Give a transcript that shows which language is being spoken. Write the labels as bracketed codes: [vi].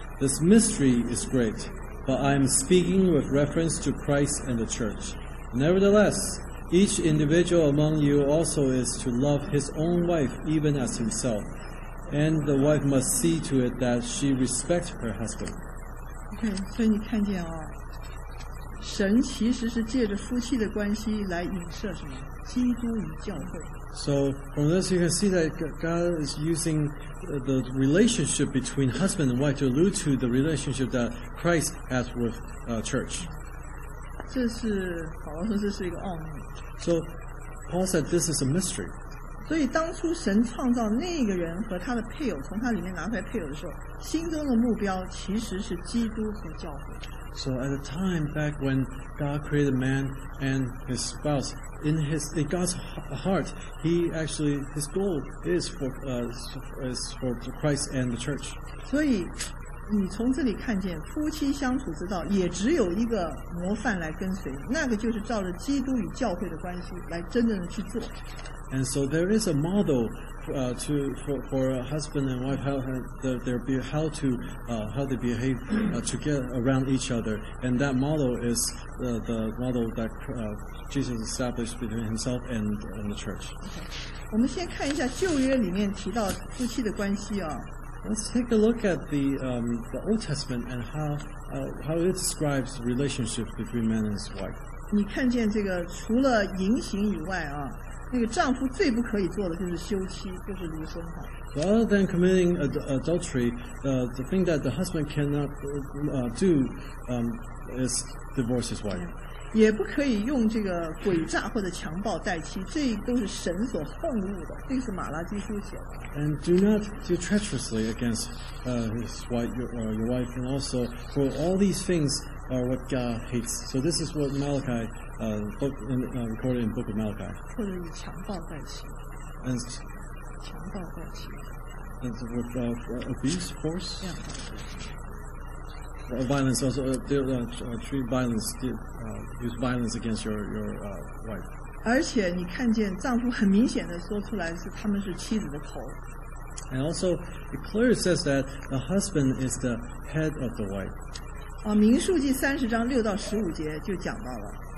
[en] This mystery is great, but I am speaking with reference to Christ and the church. Nevertheless, each individual among you also is to love his own wife even as himself, and the wife must see to it that she respects her husband. [zh] Okay, 所以你看见啊，神其实是借着夫妻的关系来影射什么？基督与教会。 [en] So from this you can see that God is using the relationship between husband and wife to allude to the relationship that Christ has with church. [zh] 这是保罗说这是一个奥秘。 [en] So Paul said this is a mystery. [zh] 所以当初神创造那个人和他的配偶，从他里面拿出来配偶的时候，心中的目标其实是基督和教会。 [en] So at the time back when God created man and his spouse, in God's heart, his goal is for Christ and the church. [zh] 所以你从这里看见夫妻相处之道，也只有一个模范来跟随，那个就是照着基督与教会的关系来真正的去做。 [en] And so there is a model for a husband and wife how they behave together around each other, and that model is the model that Jesus established between himself and the church. Okay. [zh] 我们先看一下旧约里面提到夫妻的关系啊。 [en] Let's take a look at the Old Testament and how it describes the relationship between man and his wife. [zh] 你看见这个除了淫行以外啊。那个丈夫最不可以做的就是休妻，就是离婚哈。 [en] So other than committing adultery, the thing that the husband cannot do is divorce his wife. [zh] 也不可以用这个诡诈或者强暴代妻，这都是神所恨恶的。这是马拉基书写的。 [en] And do not do treacherously against his wife, your wife, and also for all these things are what God hates. So this is what Malachi. Recorded in the book of Malachi. [zh] 或者以强暴代妻。 [en] And [zh] 强暴代妻。 [en] And with abuse, force. Yeah. Violence also. Treat violence. Use violence against your wife. [zh] 而且你看见丈夫很明显的说出来是他们是妻子的头。 [en] And also, it clearly says that the husband is the head of the wife. [zh] 民数记三十章六到十五节就讲到了。